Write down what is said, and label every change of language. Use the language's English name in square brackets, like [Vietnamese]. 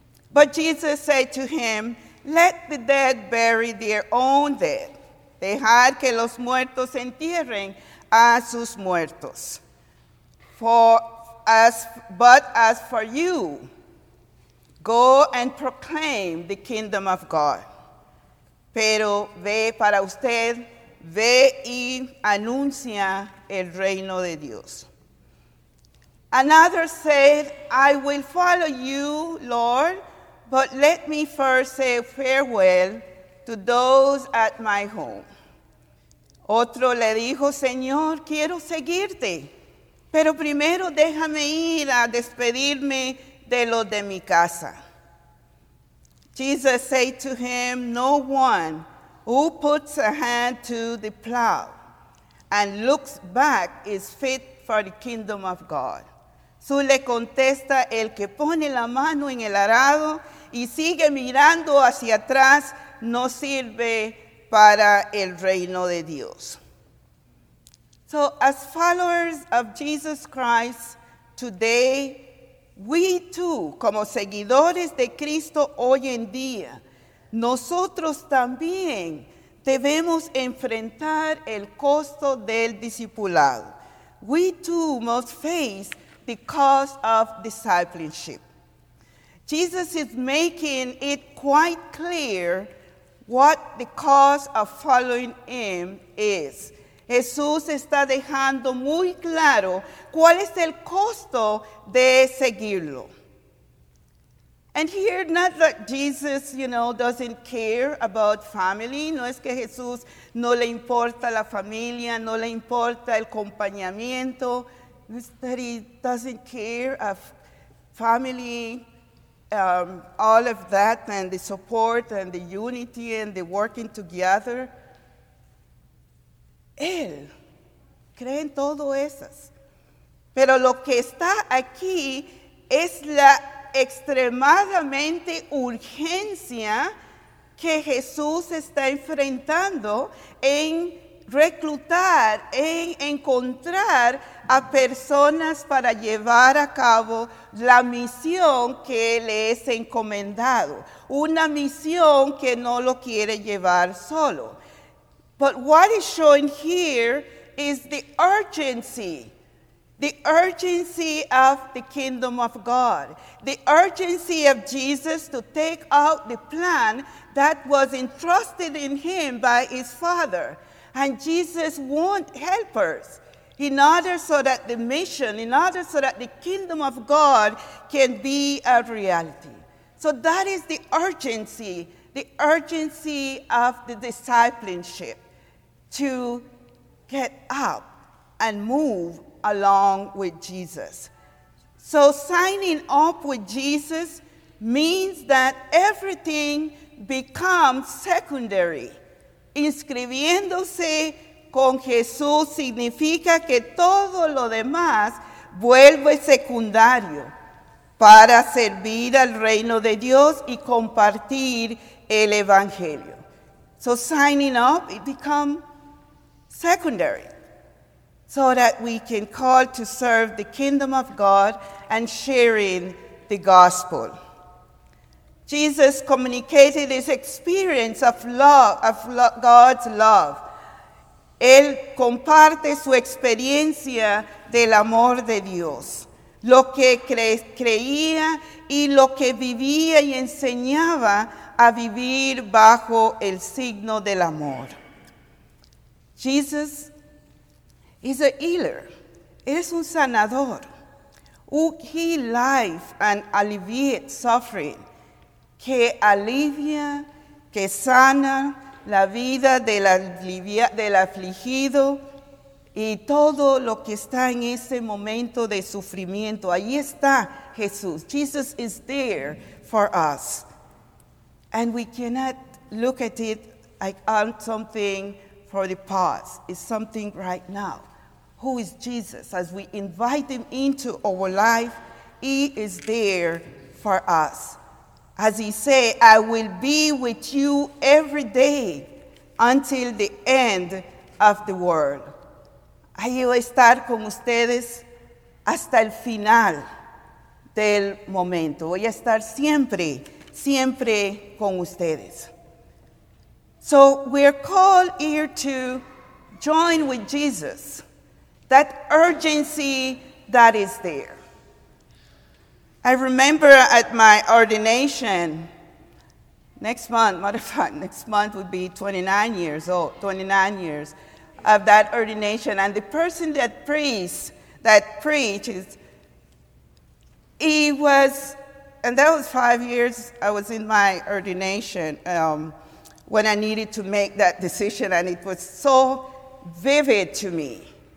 [English] But Jesus said to him, "Let the dead bury their own dead." [Spanish] Dejar que los muertos entierren a sus muertos. [English] But as for you, go and proclaim the kingdom of God. [Spanish] Pero ve para usted, ve y anuncia el reino de Dios. [English] Another said, "I will follow you, Lord, but let me first say farewell to those at my home." [Spanish] Otro le dijo, "Señor, quiero seguirte, pero primero déjame ir a despedirme de los de mi casa." [English] Jesus said to him, "No one who puts a hand to the plow and looks back is fit for the kingdom of God." [Spanish] Su le contesta, "El que pone la mano en el arado y sigue mirando hacia atrás no sirve para el reino de Dios." [English] So as followers of Jesus Christ today, we too, [Spanish] como seguidores de Cristo hoy en día, nosotros también debemos enfrentar el costo del discipulado. [English] We too must face the cost of discipleship. Jesus is making it quite clear what the cost of following him is. [Spanish] Jesús está dejando muy claro cuál es el costo de seguirlo. [English] And here, not that Jesus, doesn't care about family. [Spanish] No es que Jesús no le importa la familia, no le importa el acompañamiento. No es [English] that he doesn't care of family, all of that, and the support, and the unity, and the working together. [Spanish] Él cree en todo esas. Pero lo que está aquí es la extremadamente urgencia que Jesús está enfrentando en reclutar, en encontrar a personas para llevar a cabo la misión que le es encomendado. Una misión que no lo quiere llevar solo. [English] But what is shown here is the urgency of the kingdom of God, the urgency of Jesus to take out the plan that was entrusted in him by his Father. And Jesus wants helpers in order so that the mission, in order so that the kingdom of God can be a reality. So that is the urgency of the discipleship. To get up and move along with Jesus. So signing up with Jesus means that everything becomes secondary. [Spanish] Inscribiéndose con Jesús significa que todo lo demás vuelve secundario para servir al reino de Dios y compartir el evangelio. [English] So signing up, it becomes secondary so that we can call to serve the kingdom of God and sharing the gospel. Jesus communicated his experience of love, of God's love. [Spanish] Él comparte su experiencia del amor de Dios, lo que creía y lo que vivía y enseñaba a vivir bajo el signo del amor. [English] Jesus is a healer. [Spanish] Es un sanador. [English] Who heals life and alleviates suffering. [Spanish] Que alivia, que sana la vida del afligido y todo lo que está en ese momento de sufrimiento. Ahí está Jesús. [English] Jesus is there for us. And we cannot look at it like I'm something for the past. It's something right now. Who is Jesus? As we invite him into our life, he is there for us. As he said, I will be with you every day until the end of the world. [Spanish] Ahí voy a estar con ustedes hasta el final del momento. Voy a estar siempre, siempre con ustedes. [English] So we're called here to join with Jesus, that urgency that is there. I remember at my ordination, next month would be 29 years of that ordination, and the person that preached, he was, and that was 5 years I was in my ordination, when I needed to make that decision, and it was so vivid to me.